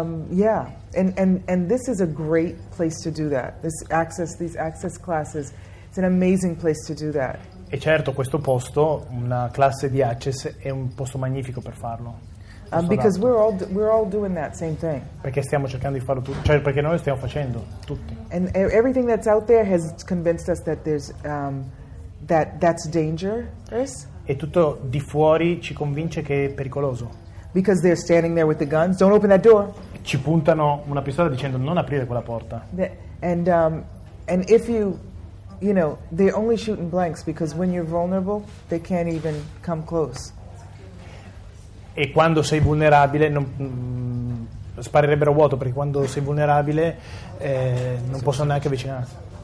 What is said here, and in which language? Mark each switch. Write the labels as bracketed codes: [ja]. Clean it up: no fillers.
[en] Yeah, and this is a great place to do that. These access classes, it's an amazing place to do that. [it] E certo, questo posto, una classe di access, è un posto magnifico per farlo. [en] Because we're all doing that same thing. [it] Perché stiamo cercando di farlo tutti. Cioè, perché noi lo stiamo facendo tutti. [en] And everything that's out there has convinced us that there's that's dangerous. [it] E tutto di fuori ci convince che è pericoloso. [en] Because they're standing there with the guns. Don't open that door. [it] Ci puntano una pistola dicendo non aprire quella porta. [en] And if you know, they're only shooting blanks because when you're vulnerable, they can't even come close. [it] E quando sei vulnerabile non sparerebbero vuoto, perché quando sei vulnerabile non possono neanche avvicinarsi.